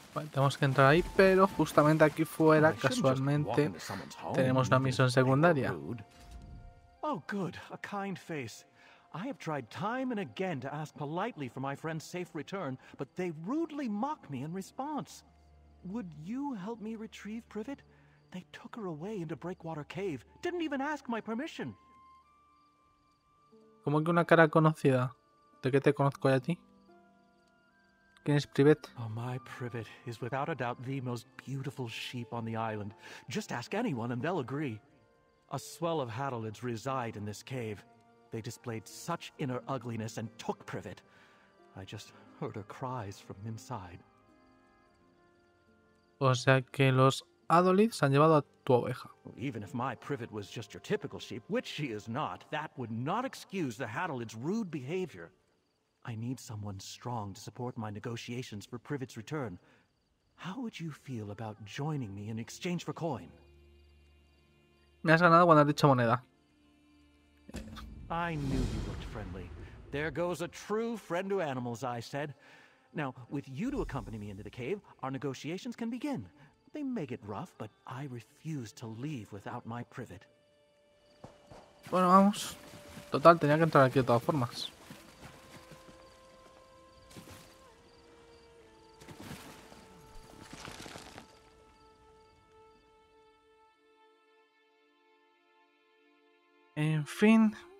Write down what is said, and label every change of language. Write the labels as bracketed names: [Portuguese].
[Spanish] Tenemos que entrar ahí, pero justamente aquí fuera, casualmente, tenemos una misión secundaria. [English] Oh, good, a kind face. I have tried time and again to ask politely for my friend's safe return, but they rudely mock me in response. Would you help me retrieve Privet? They took her away into Breakwater Cave. Didn't even ask my permission. [Spanish] ¿Cómo que una cara conocida? ¿De qué te conozco a ti? ¿Quién es Privet? [English] Oh, my Privet is without a doubt the most beautiful sheep on the island. Just ask anyone and they'll agree. A swell of Hadalids reside in this cave. They displayed such inner ugliness and took Privet. I just heard her cries from inside. [Spanish] O sea que los Hadalids han llevado a tu oveja. [English] Even if my Privet was just your typical sheep, which she is not, that would not excuse the Hadalids' rude behavior. I need someone strong to support my negotiations for Privet's return. How would you feel about joining me in exchange for coin? [Spanish] Me has ganado cuando has dicho moneda. [English] I knew you looked friendly. There goes a true friend to animals, I said. Now, with you to accompany me into the cave, our negotiations can begin. They may get rough, but I refuse to leave without my privet. [Spanish] Bueno, vamos. Total, tenía que entrar aquí de todas formas. En fin.